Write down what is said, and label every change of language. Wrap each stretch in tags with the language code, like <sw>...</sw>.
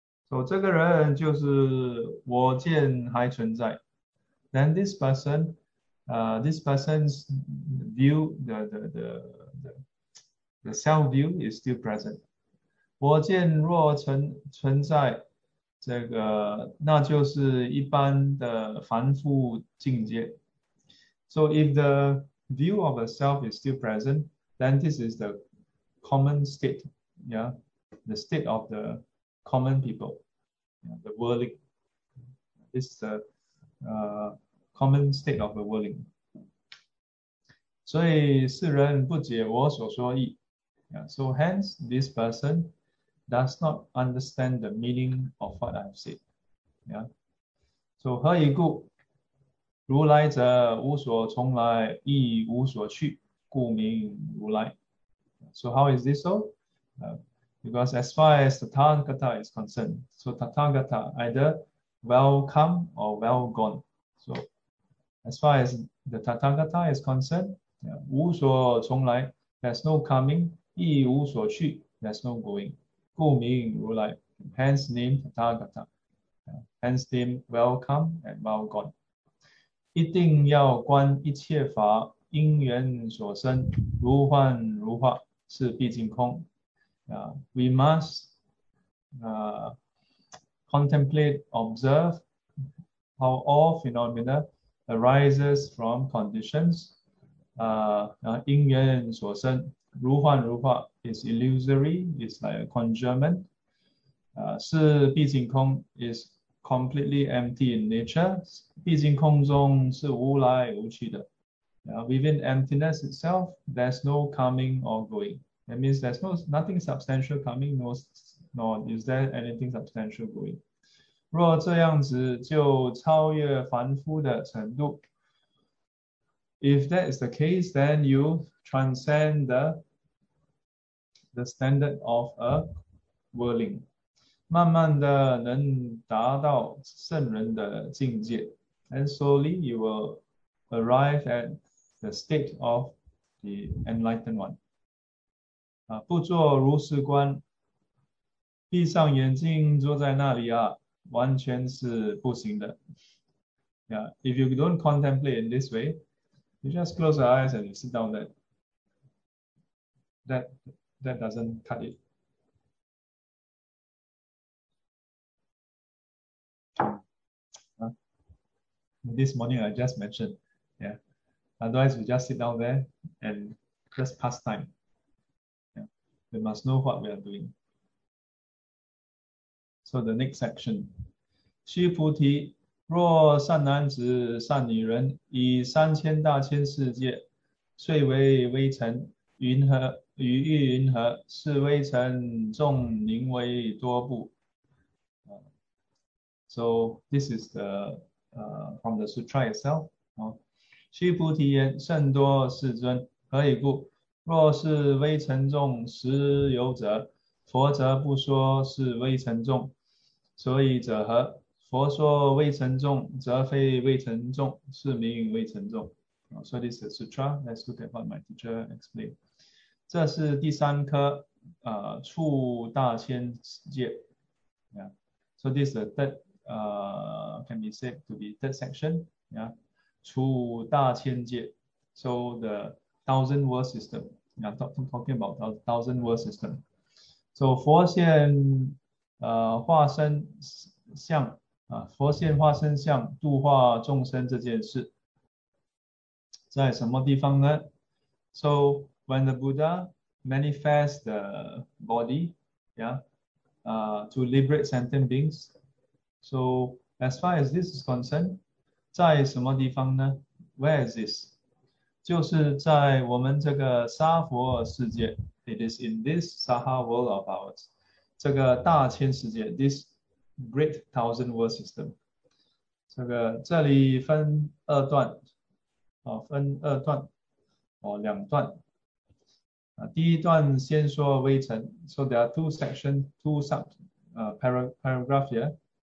<zh>So, 这个人就是我见还存在。</zh> <en>Then this person, this person's view, the self view is still present.</en> <zh>我见若存在，这个那就是一般的凡夫境界。</zh> <en>So, if the view of a self is still present, then this is the common state, yeah, the state of the. Common people, yeah, the whirling. This is a common state of the whirling.</en> <zh>所以世人不解我所说意.</zh> <en>Yeah, so hence, this person does not understand the meaning of what I've said.</en> <zh>Yeah. So, 何以故?如来者无所从来,亦无所去,故名如来.</zh> <en>So, how is this so? Because as far as Tathagata is concerned, so Tathagata either well come or well gone. So as far as the Tathagata is concerned, yeah,</en> <zh>无所从来,</zh> <en>there's no coming,</en> <zh>亦无所去,</zh> <en>there's no going.</en> <zh>故名如来,</zh> <en>hence name Tathagata, yeah, hence name well come and well gone.</en> <zh>一定要观一切法因缘所生如幻如化是毕竟空。</zh> <en>We must contemplate, observe how all phenomena arises from conditions.</en> <zh>因缘所生, 如幻如化,</zh> <en>is illusory, is like a conjurement.</en> <zh>是毕竟空,</zh> <en>is completely empty in nature.</en> <zh>毕竟空中是无来无去的.</zh> <en>Within emptiness itself, there's no coming or going. That means there's nothing substantial coming, nor is there anything substantial going.</en> <zh>若这样子就超越凡夫的程度。</zh> <en>If that is the case, then you transcend the standard of a whirling.</en> <zh>慢慢的能达到圣人的境界。</zh> <en>And slowly you will arrive at the state of the enlightened one.</en> <zh>不做如是观，闭上眼睛坐在那里啊，完全是不行的。</zh> <en>Yeah, if you don't contemplate in this way, you just close your eyes and you sit down there. That doesn't cut it. This morning I just mentioned, yeah. Otherwise, you just sit down there and just pass time. We must know what we are doing. So the next section.</en> <zh>须菩提，若善男子、善女人以三千大千世界遂为微尘，云何与欲云何？是微尘众宁为多不？</zh> <en>So this is the from the sutra itself.</en> <zh>须菩提言，甚多世尊，何以故？若是微尘众实有者，佛则不说是微尘众。所以者何？佛说微尘众，则非微尘众，是名为微尘众。</zh> <en>So this is sutra. Let's look at what my teacher explained.</en> <zh>这是第三颗，触大千世界。</zh> <en>So this is the third, can be said to be third section.</en> <zh>触大千界，</zh> <en>so the thousand world system. Talking about the thousand world system. So</en> <zh>佛现化身相啊，佛现化身相度化众生这件事，在什么地方呢？</zh> <en>So when the Buddha manifests the body, to liberate sentient beings. So as far as this is concerned.</en> <zh>在什么地方呢？</zh> <en>Where is this？</en> <zh>就是在我们这个娑婆世界。</zh> <en>It is in this Saha world of ours，</en> <zh>这个大千世界，</zh> <en>this great thousand world system。</en> <zh>这里分二段，分二段，两段。第一段先说微尘，</zh> <en>so there are two section, two sub, paragraph here.</en>